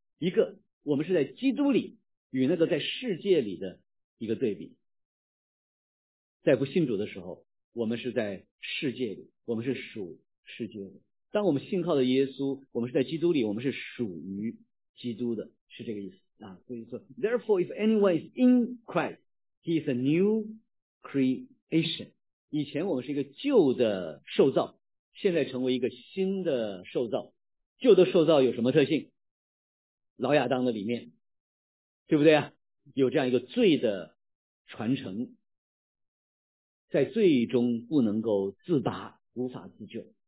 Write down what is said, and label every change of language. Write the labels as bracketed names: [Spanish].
[Chinese] 一个，我们是在基督里与那个在世界里的一个对比。在不信主的时候，我们是在世界里，我们是属世界的。当我们信靠的耶稣，我们是在基督里，我们是属于基督的，是这个意思啊。所以说 [English] ，Therefore, if anyone is in Christ, he is a new creation. [Chinese] 以前我们是一个旧的受造，现在成为一个新的受造。旧的受造有什么特性？老亚当的里面，对不对啊？有这样一个罪的传承，在罪中不能够自拔，无法自救。